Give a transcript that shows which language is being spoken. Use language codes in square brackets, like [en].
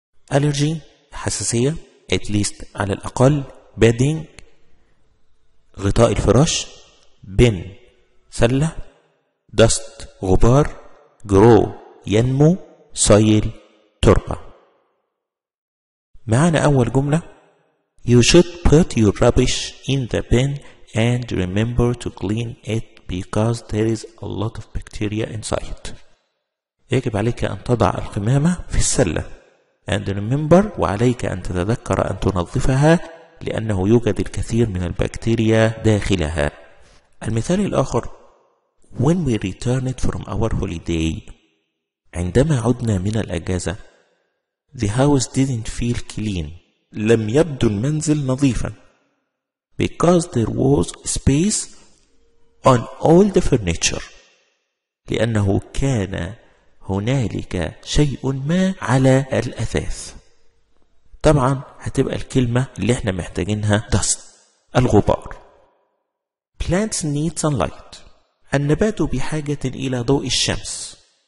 [ar] Allergy, حساسية, [en] at least [ar] على الأقل, bedding, غطاء الفراش, bin, سلة, dust, غبار, grow, ينمو, soil, تربة. معنا أول جملة. [en] You should put your rubbish in the bin and remember to clean it because there is a lot of bacteria inside. [ar] يجب عليك أن تضع القمامة في السلة. [en] And remember, [ar] وعليك أن تتذكر أن تنظفها لأنه يوجد الكثير من البكتيريا داخلها. المثال الآخر. [en] When we returned from our holiday, [ar] عندما عدنا من الأجازة, [en] the house didn't feel clean. [ar] لم يبدو المنزل نظيفا. [en] Because there was space on all the furniture. [ar] لأنه كان هنالك شيء ما على الأثاث. طبعا هتبقى الكلمة اللي احنا محتاجينها dust, الغبار. [en] Plants need sunlight. [ar] النبات بحاجة إلى ضوء الشمس.